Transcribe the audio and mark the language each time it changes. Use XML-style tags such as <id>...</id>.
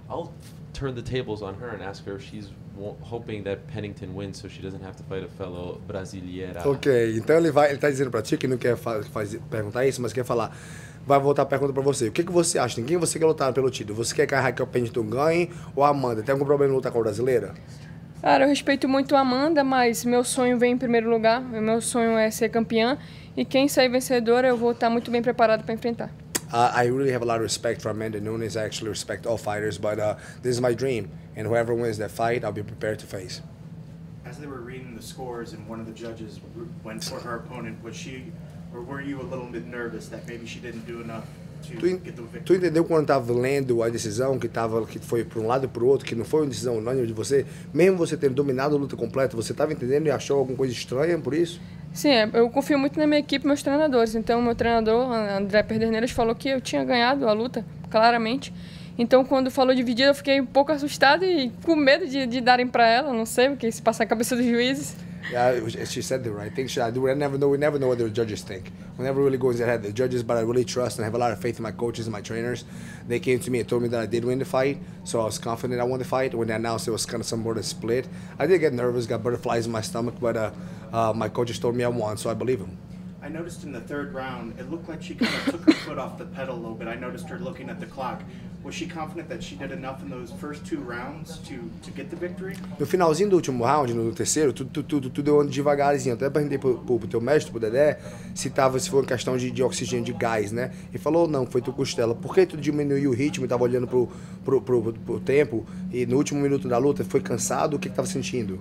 <en>I'll turn the tables on her and ask her if she's hoping that Pennington wins so she doesn't have to fight a fellow brasileira.</en> <pt>Ok, então ele tá dizendo pra ti que não quer perguntar isso, mas quer falar. Vai voltar a pergunta pra você. O que você acha? Quem você quer lutar pelo título? Você quer que a Raquel Pennington ganhe ou a Amanda? Tem algum problema em lutar com a brasileira? Cara, eu respeito muito a Amanda, mas meu sonho vem em primeiro lugar. Meu sonho é ser campeã. E quem sair vencedora, eu vou estar muito bem preparado pra enfrentar.</pt> <en>I really have a lot of respect for Amanda Nunes. I actually respect all fighters, but this is my dream. And whoever wins that fight, I'll be prepared to face. As they were reading the scores and one of the judges went for her opponent, were you a little bit nervous that maybe she didn't do enough to get the victory?</en> <pt>Tu entendeu quando estava lendo a decisão, que foi para lado e para outro, que não foi uma decisão unânime de você? Mesmo você tendo dominado a luta completa, você estava entendendo e achou alguma coisa estranha por isso? Sim, eu confio muito na minha equipe e meus treinadores. Então, meu treinador, André Perderneiras, falou que eu tinha ganhado a luta, claramente. Então, quando falou dividida, eu fiquei um pouco assustado e com medo de darem para ela. Não sei o que se passa na cabeça dos juízes.</pt> <en>Yeah, she said the right thing. We never know what the judges think. We never really go into head. The judges, but I really trust and have a lot of faith in my coaches and my trainers. They came to me and told me that I did win the fight, so I was confident I won the fight. When they announced it was kind of some sort of split, I did get nervous, got butterflies in my stomach, but my coaches told me I won, so I believe them. I noticed in the third round, it looked like she kind of took her foot off the pedal a little bit. I noticed her looking at the clock. Was she confident that she did enough in those first two rounds to get the victory?</en> <pt>No finalzinho do último round, no terceiro, tudo deu devagarzinho. Até perguntei pro teu mestre, pro Dedé, se foi uma questão de oxigênio, de gás, né? E falou, não, foi tu costela. Por que tu diminuiu o ritmo e tava olhando pro tempo? E no último minuto da luta, foi cansado? O que tava sentindo?</pt>